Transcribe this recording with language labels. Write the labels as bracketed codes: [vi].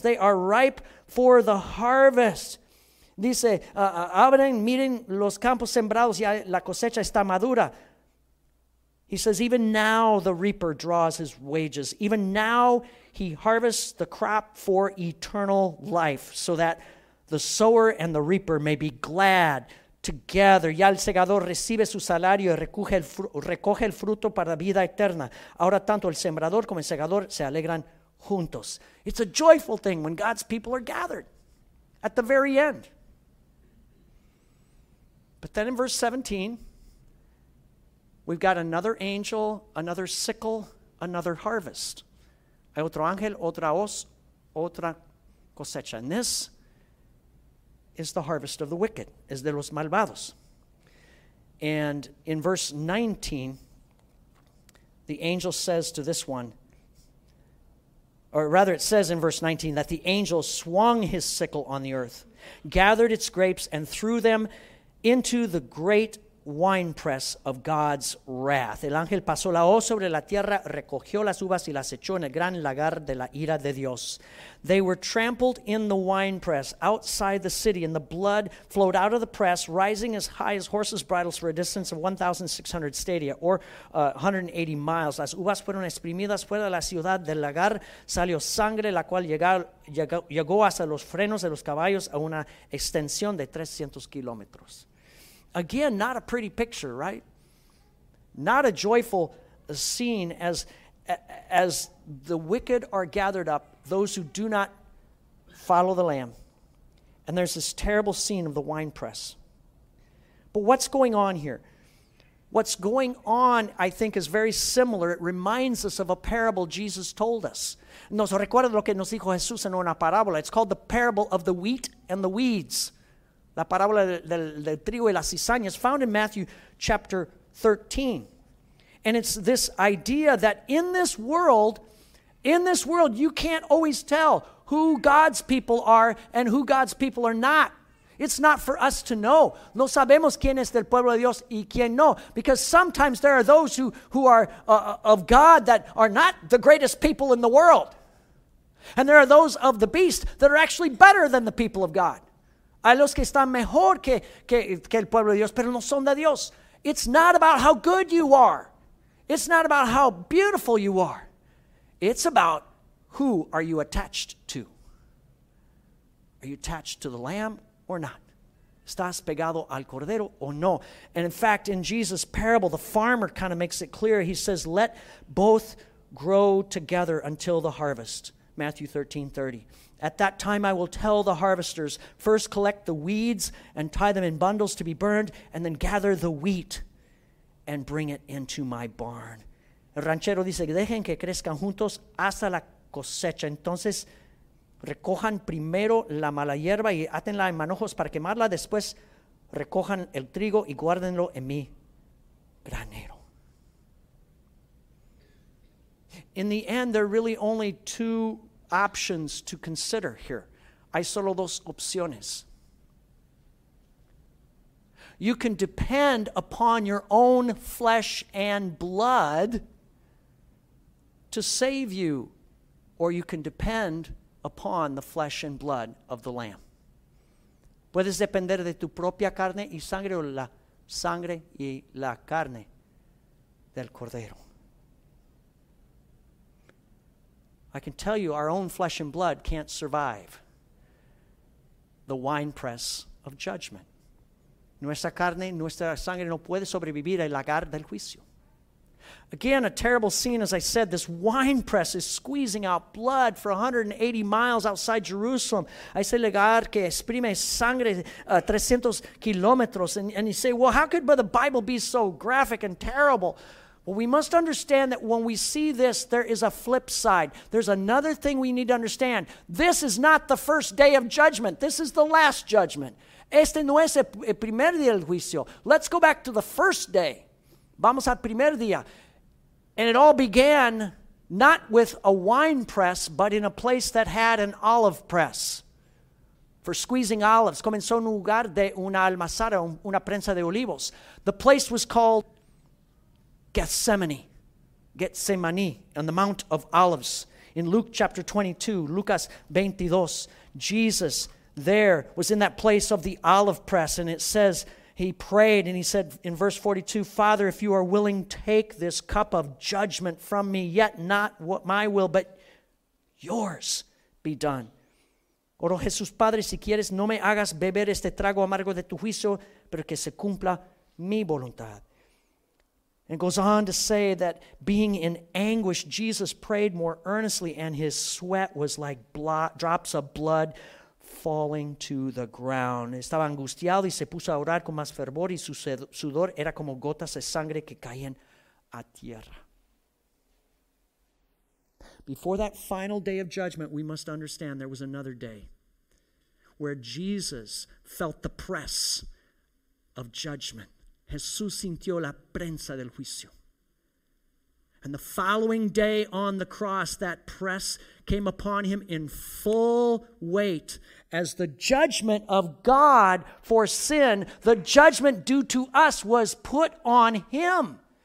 [en] They are ripe for the harvest. [es] Dice, abren, miren los campos sembrados, ya la cosecha está madura. [en] He says, even now the reaper draws his wages. Even now he harvests the crop for eternal life, so that the sower and the reaper may be glad together. [es] Ya el segador recibe su salario y recoge el fruto para vida eterna. Ahora tanto el sembrador como el segador se alegran juntos. [en] It's a joyful thing when God's people are gathered at the very end. But then in verse 17, we've got another angel, another sickle, another harvest. [es] Hay otro ángel, otra hoz, otra cosecha. [en] And this is the harvest of the wicked, [es] es de los malvados. [en] And in verse 19, the angel says to this one, or rather it says in verse 19, that the angel swung his sickle on the earth, gathered its grapes, and threw them into the great winepress of God's wrath. [es] El ángel pasó la hoz sobre la tierra, recogió las uvas y las echó en el gran lagar de la ira de Dios. [en] They were trampled in the winepress outside the city, and the blood flowed out of the press, rising as high as horses' bridles for a distance of 1,600 stadia, or 180 miles. [es] Las uvas fueron exprimidas fuera de la ciudad del lagar, salió sangre, la cual llegó hasta los frenos de los caballos a una extensión de 300 kilómetros. [en] Again, not a pretty picture, right? Not a joyful scene as the wicked are gathered up, those who do not follow the Lamb. And there's this terrible scene of the wine press. But what's going on here? What's going on, I think, is very similar. It reminds us of a parable Jesus told us. [es] Nos recuerda lo que nos dijo Jesús en una parábola. [en] It's called the parable of the wheat and the weeds. [es] La parábola del trigo y la cizaña [en] is found in Matthew chapter 13. And it's this idea that in this world, you can't always tell who God's people are and who God's people are not. It's not for us to know. [es] No sabemos quién es del pueblo de Dios y quién no. [en] Because sometimes there are those who are of God that are not the greatest people in the world. And there are those of the beast that are actually better than the people of God. [es] A los que están mejor que el pueblo de Dios, pero no son de Dios. [en] It's not about how good you are. It's not about how beautiful you are. It's about who are you attached to. Are you attached to the Lamb or not? [es] ¿Estás pegado al Cordero o no? [en] And in fact, in Jesus' parable, the farmer kind of makes it clear. He says, let both grow together until the harvest. Matthew 13:30. At that time I will tell the harvesters, first collect the weeds and tie them in bundles to be burned, and then gather the wheat and bring it into my barn. [es] El ranchero dice, dejen que crezcan juntos hasta la cosecha. Entonces recojan primero la mala hierba y átenla en manojos para quemarla. Después recojan el trigo y guárdenlo en mi granero. [en] In the end, there are really only two options to consider here. [es] Hay solo dos opciones. [en] You can depend upon your own flesh and blood to save you, or you can depend upon the flesh and blood of the Lamb. [es] Puedes depender de tu propia carne y sangre o la sangre y la carne del Cordero. [en] I can tell you our own flesh and blood can't survive the winepress of judgment. [es] Nuestra carne, nuestra sangre no puede sobrevivir al lagar del juicio. [en] Again, a terrible scene, as I said, this wine press is squeezing out blood for 180 miles outside Jerusalem. I say, [es] lagar que exprime sangre 300 kilómetros. [en] And you say, well, how could the Bible be so graphic and terrible? Well, we must understand that when we see this, there is a flip side. There's another thing we need to understand. This is not the first day of judgment. This is the last judgment. [es] Este no es el primer día del juicio. [en] Let's go back to the first day. [es] Vamos al primer día. [en] And it all began not with a wine press, but in a place that had an olive press for squeezing olives. [es] Comenzó en un lugar de una almazara, una prensa de olivos. [en] The place was called Gethsemane, Gethsemane, on the Mount of Olives. In Luke chapter 22, Lucas 22, Jesus there was in that place of the olive press, and it says, he prayed and he said in verse 42, Father, if you are willing, take this cup of judgment from me, yet not what my will, but yours be done. [es] Oro Jesús, Padre, si quieres, no me hagas beber este trago amargo de tu juicio, pero que se cumpla mi voluntad. [en] And goes on to say that being in anguish, Jesus prayed more earnestly and his sweat was like drops of blood falling to the ground. [es] Estaba angustiado y se puso a orar con más fervor y su sudor era como gotas de sangre que caían a tierra. [en] Before that final day of judgment, we must understand there was another day where Jesus felt the press of judgment. [es] Jesús sintió la prensa del juicio. [en] And the following day on the cross, that press came upon him in full weight as the judgment of God for sin, the judgment due to us, was put on him.